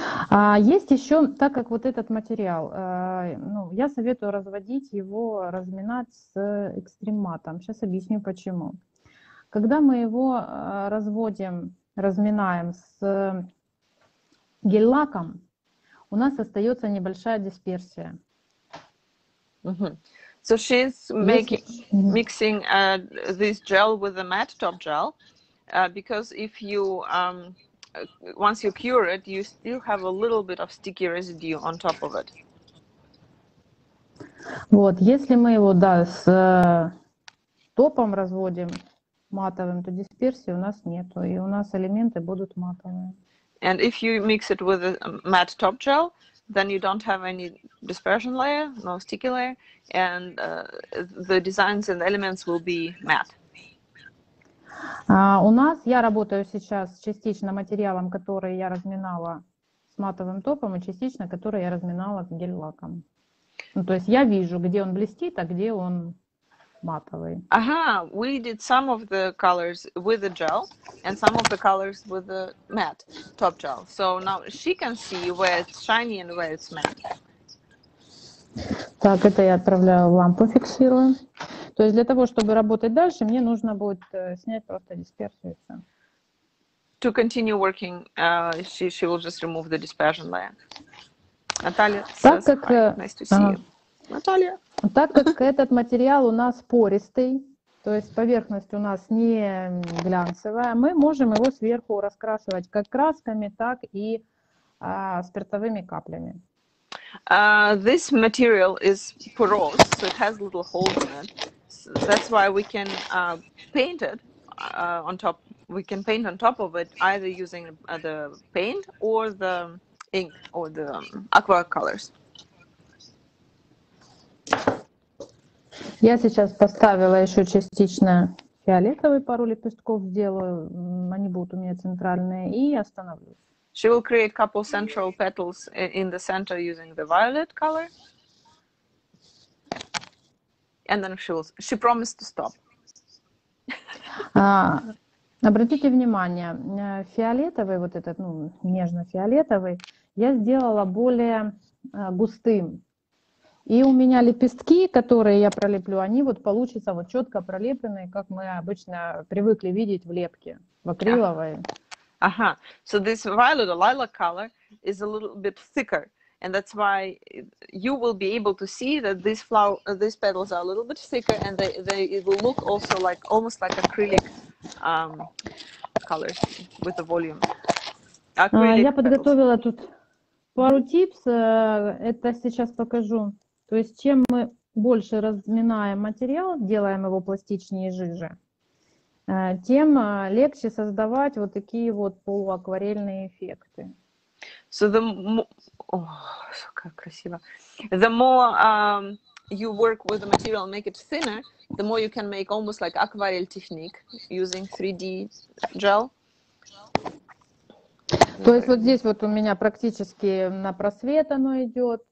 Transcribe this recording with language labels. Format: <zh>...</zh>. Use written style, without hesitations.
<ru>А есть еще, так как вот этот материал, ну, я советую разводить его, разминать с экстрематом. Сейчас объясню, почему. Когда мы его разводим, разминаем с гель-лаком, у нас остается небольшая дисперсия.</ru> <en>So she's mixing this gel with the matte top gel, because if you... Once you cure it, you still have a little bit of sticky residue on top of it.</en> <ru>Вот, если мы его, да, с топом разводим матовым, то дисперсии у нас нету, и у нас элементы будут матовые.</ru> <en>And if you mix it with a matte top gel, then you don't have any dispersion layer, no sticky layer, and the designs and elements will be matte.</en> <ru>У нас, я работаю сейчас частично материалом, который я разминала с матовым топом, и частично, который я разминала с гель-лаком. Ну, то есть я вижу, где он блестит, а где он матовый.</ru> <en>Ага, we did some of the colors with the gel, and some of the colors with the matte top gel. So now she can see where it's shiny and where it's matte.</en> <ru>Так, это я отправляю в лампу, фиксирую. То есть для того, чтобы работать дальше, мне нужно будет снять просто дисперсию.</ru> <en>To continue working, she will just remove the dispersion layer.</en> <ru>Наталья, так как,</ru> <en>nice to see you. Наталья.</en> <ru>Так как этот материал у нас пористый, то есть поверхность у нас не глянцевая, мы можем его сверху раскрашивать как красками, так и спиртовыми каплями.</ru> <en>This material is porous, so it has little holes in it. So that's why we can paint it on top. We can paint on top of it either using the paint or the ink or the aqua colors.</en> <ru>Я сейчас поставила еще частично фиолетовый, пару лепестков сделаю. Они будут у меня центральные и остановлюсь.</ru> <en>She will create a couple central petals in the center using the violet color. And then she promised to stop.</en> <ru>Обратите внимание, фиолетовый, вот этот, ну, нежно-фиолетовый, я сделала более густым. И у меня лепестки, которые я пролеплю, они вот получатся вот четко пролеплены, как мы обычно привыкли видеть в лепке, в акриловой.</ru> <en>Ага, so this violet or lilac color is a little bit thicker. And that's why you will be able to see that these flower, these petals are a little bit thicker, and they it will look also like almost like acrylic colors with the volume.</en> <ru>Я подготовила тут пару типс. Это сейчас покажу. То есть чем мы больше разминаем материал, делаем его пластичнее и жиже, тем легче создавать вот такие вот полуакварельные эффекты.</ru> <en>So the</en> <ru>О, как красиво.</ru> <en>The more you work with the material and make it thinner, the more you can make almost like aquarelle technique using 3D gel.</en> <ru>То есть вот здесь вот у меня практически на просвет оно идет.</ru>